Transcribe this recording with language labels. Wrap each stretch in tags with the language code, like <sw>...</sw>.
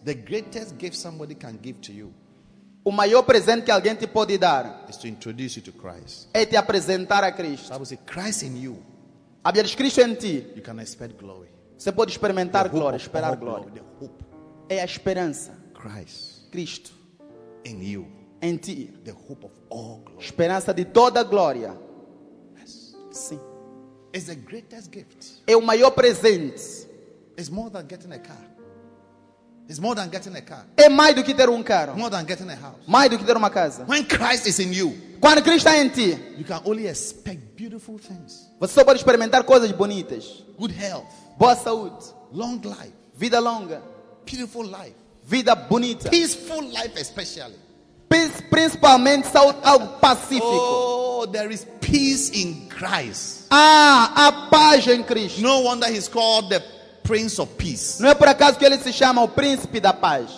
<en>The greatest gift somebody can give to you.</en> <pt>O maior presente que alguém te pode dar.</pt> <en>Is to introduce you to Christ.</en> <pt>É te apresentar a Cristo.</pt> <en>So I would say, Christ in you.</en> <pt>A vida de Cristo em ti.</pt> <en>You can expect glory.</en> <pt>Você pode experimentar glória, esperar glória.</pt> <en>The hope.</en> <pt>É a esperança.</pt> <en>Christ.</en> <pt>Cristo.</pt> <en>In you.</en> <pt>Em ti.</pt> <en>The hope of all glory.</en> <pt>Esperança de toda glória.</pt> <en>Yes.</en> <pt>Sim.</pt> <en>It's the greatest gift.</en> <pt>É o maior presente.</pt> <en>It's more than getting a car. It's more than getting a car.</en> <pt>É mais do que ter carro.</pt> <en>More than getting a house.</en> <pt>Mais do que ter casa.</pt> <en>When Christ is in you.</en> <pt>Quando Cristo está em ti.</pt> <en>You can only expect beautiful things.</en> <pt>Você só pode experimentar coisas bonitas.</pt> <en>Good health.</en> <pt>Boa saúde.</pt> <en>Long life.</en> <pt>Vida longa.</pt> <en>Beautiful life.</en> <pt>Vida bonita.</pt> <en>Peaceful life especially.</en> <pt>Principalmente saúde pacífico.</pt> <en>Oh, there is peace in Christ.</en> <pt>Ah, a paz em Cristo.</pt> <en>No wonder he's called the Prince of Peace.</en> <pt>Não é por acaso que ele se chama o Príncipe da Paz.</pt>